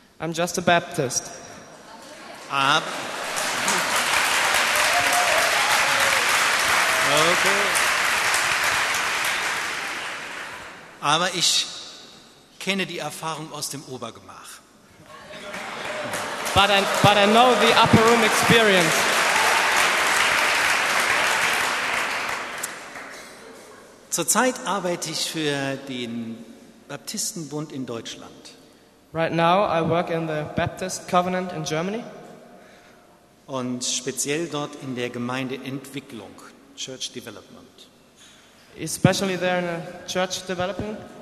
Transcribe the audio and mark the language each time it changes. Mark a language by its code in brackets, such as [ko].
[en] I'm just a Baptist. Okay. [de] Aber ich kenne die Erfahrung aus dem Obergemach. [en] But I know the upper room experience. [de] Zurzeit arbeite ich für den Baptistenbund in Deutschland. [en] Right now I work in the Baptist Covenant in Germany. [de] Und speziell dort in der Gemeindeentwicklung. [en] Church development. Especially there in a church development.